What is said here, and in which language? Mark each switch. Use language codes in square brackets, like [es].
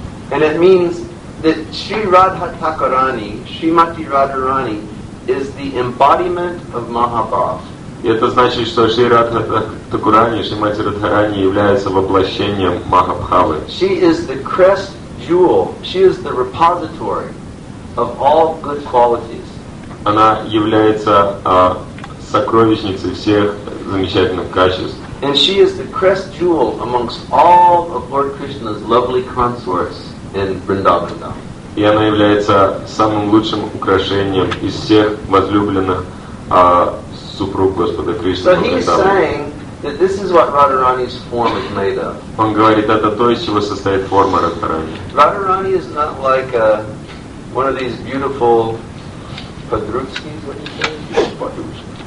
[en] And it means that Shri Radha Thakurani, Srimati Radharani, is the embodiment of Mahabhav. [ru] И это значит, что Шри Радха Такурани, Шри Мати Радхарани является воплощением Махабхавы. [en] She is the crest jewel, she is the repository of all good qualities. [ru] Она является сокровищницей всех замечательных качеств. [en] And she is the crest jewel amongst all of Lord Krishna's lovely consorts in Vrindavan. [ru] И она является самым лучшим украшением из всех возлюбленных супруг Господа Кришны. [en] So he's saying that this is what Radharani's form is made of. [ru] Он говорит, это то, из чего состоит форма Радхарани. [en] Radharani is not like one of these beautiful Padrushkas, what do you say?